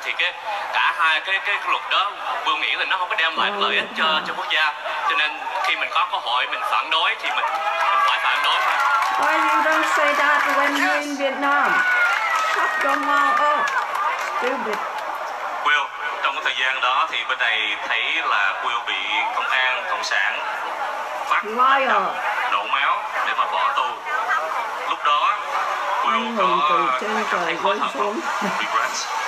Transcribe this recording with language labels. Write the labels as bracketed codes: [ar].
[vi] Thì cả hai cái luật đó Vương nghĩ là nó không có đem lại lợi ích cho quốc gia, cho nên khi mình có cơ hội mình phản đối thì mình phải phản đối thôi. [en] Why you don't say that when you're in Vietnam? Shut your mouth up, stupid. [vi] Will, trong cái thời gian đó thì bên này thấy là Will bị công an cộng sản bắt đập, đổ máu để mà bỏ tù. Lúc đó Will có cảm thấy hối hận không? Regrets.